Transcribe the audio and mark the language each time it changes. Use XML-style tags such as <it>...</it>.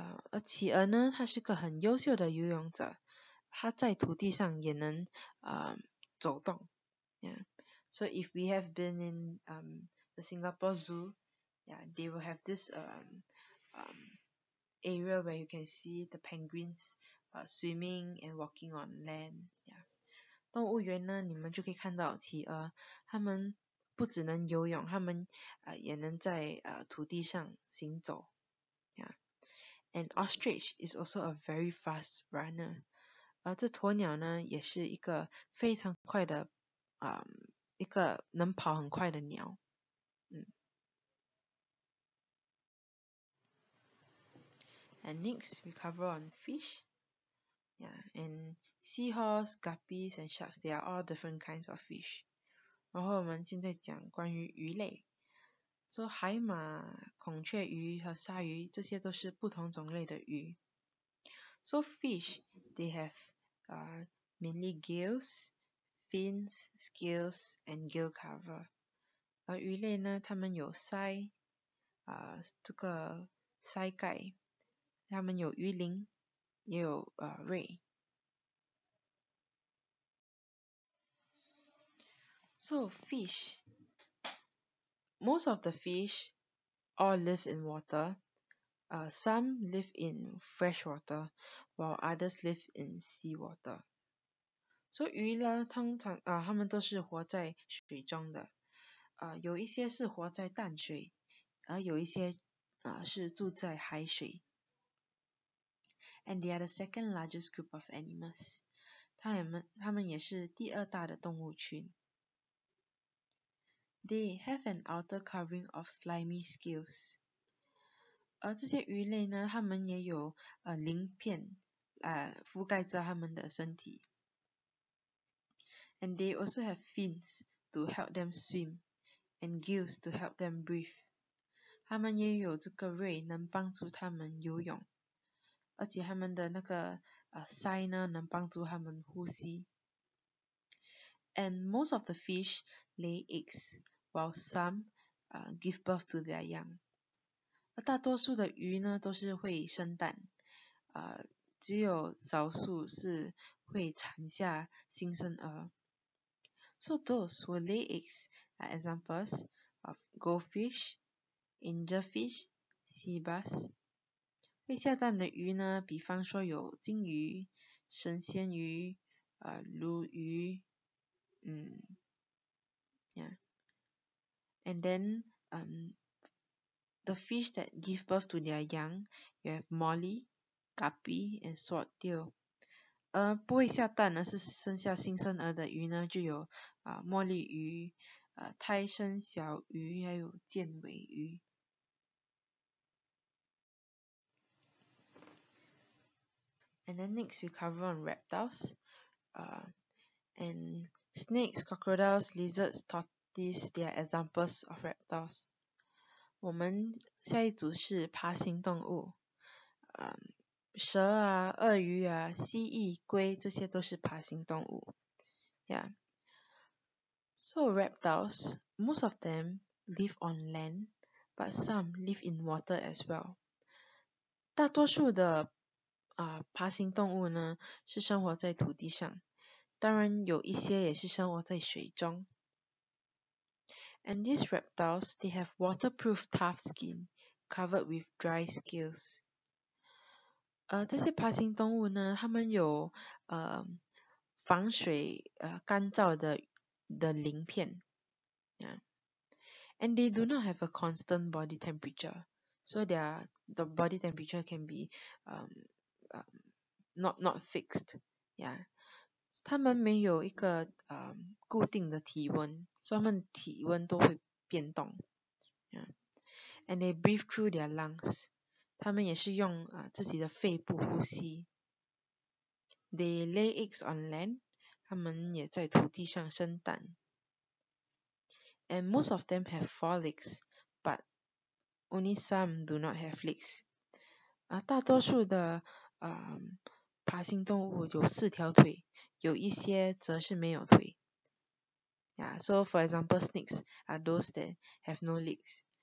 <zh>而企鹅呢，它是个很优秀的游泳者，它在土地上也能走动。</zh> <en>Yeah. So if we have been in the Singapore Zoo, yeah, they will have this area where you can see the penguins swimming and walking on land. Yeah.</en> <zh>动物园呢你们就可以看到企鹅它们不只能游泳它们也能在土地上行走 yeah.</zh> <en>And ostrich is also a very fast runner</en> <zh>而这鸵鸟呢也是一个非常快的一个能跑很快的鸟、</zh> <en>And next we cover on fishYeah, and seahorse, guppies, and sharks, they are all different kinds of fish.</en> <zh>然后我们现在讲关于鱼类。So, 海马、孔雀鱼和鲨鱼这些都是不同种类的鱼。</zh> <en>So, fish, they have mainly gills, fins, scales, and gill cover.</en> <zh>而鱼类呢它们有鳃这个鳃盖它们有鱼鳞也有胃</zh> <en>So fish Most of the fish all live in water Some live in fresh water While others live in sea water So</en> <zh>鱼呢通常它们都是活在水中的有一些是活在淡水而有一些是住在海水</zh> <en>And they are the second largest group of animals.</en> <zh>他们也是第二大的动物群。</zh> <en>They have an outer covering of slimy scales.</en> <zh>而这些鱼类呢，它们也有鳞片覆盖着它们的身体。</zh> <en>And they also have fins to help them swim, and gills to help them breathe.</en> <zh>它们也有这个胃能帮助它们游泳。而且他们的那个鳃呢能帮助他们呼吸</zh> <en>And most of the fish lay eggs while some give birth to their young</en> <zh>而大多数的鱼呢都是会生蛋只有少数是会产下新生儿</zh> <en>So those who lay eggs are examples of goldfish, angelfish, sea bass,</en> <zh>会下蛋的鱼呢比方说有金鱼神仙鱼鲈鱼yeah.</zh> <en>And then, the fish that give birth to their young, you have molly, guppy, and swordtail.</en> <zh>而不会下蛋呢是生下新生儿的鱼呢就有茉莉鱼胎生小鱼还有剑尾鱼。</zh> <en>And then next we cover on reptiles, and snakes, crocodiles, lizards, these they are examples of reptiles.</en> <zh>我们下一组是爬行动物，蛇啊、鳄鱼啊、蜥蜴、龟，这些都是爬行动物。</zh> <en>Yeah. So reptiles, most of them live on land, but some live in water as well.</en> <zh>大多数的爬行动物呢是生活在土地上，当然有一些也是生活在水中。</zh> <en>And these reptiles, they have waterproof tough skin covered with dry scales.</en> <zh>这些爬行动物呢，它们有防水干燥的鳞片。</zh> <en>Yeah. And they do not have a constant body temperature, so the body temperature can be not fixed. Yeah.</en> <zh>他们没有一个固定的体温，所以他们体温都会变动。</zh> <en>Yeah. And they breathe through their lungs.</en> <zh>他们也是用自己的肺部呼吸。</zh> <en>They lay eggs on land.</en> <zh>他们也在土地上生蛋。</zh> <en>And most of them have four legs, but only some do not have legs.</en> <zh>大多数的爬行动物有四条腿。有一些则是没有腿。</zh> <en>Yeah, so for example, snakes are those that have no legs.</en>